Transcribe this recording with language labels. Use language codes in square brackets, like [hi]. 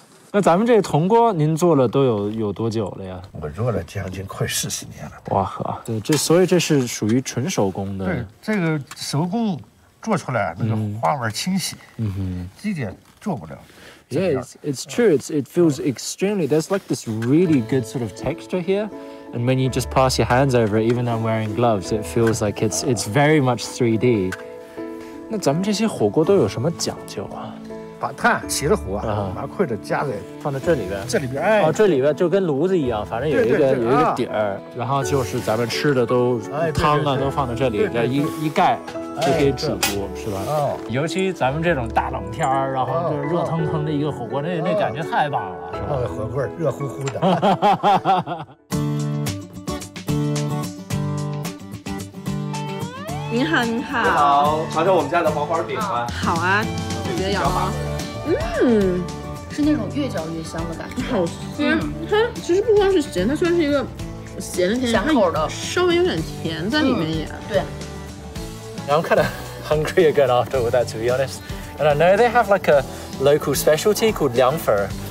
[zh] 那咱们这个铜锅您做了都有多久了呀？我做了将近快40年了。哇呵，对，这所以这是属于纯手工的。对，这个手工做出来那个花纹清晰，嗯哼，这点做不了。 [en] Yeah, it's true. It feels extremely. There's like this really good sort of texture here, and when you just pass your hands over it, even though I'm wearing gloves, it feels like it's very much 3D. [zh] 那咱们这些火锅都有什么讲究啊？把炭起了火、拿筷子夹给放在这里边，这里边哎，哦，这里边就跟炉子一样，反正有一个底儿、啊，然后就是咱们吃的都、哎、汤啊都放在这里，这一盖就可以煮，哎、是吧、哦？尤其咱们这种大冷天然后就是热腾腾的一个火锅，哦、那感觉太棒了，是吧？哦、火锅热乎乎的。您好，您好，你好，尝尝我们家的黄花饼吧、啊。好啊，我觉得要吗？嗯，是那种越嚼越香的感觉，好鲜、嗯。它其实不光是咸，它虽然是一个咸的甜咸口的，稍微有点甜在里面也、嗯、对。然后看到。 [en] Hungry again after all that, to be honest. And I know they have like a local specialty called 凉粉。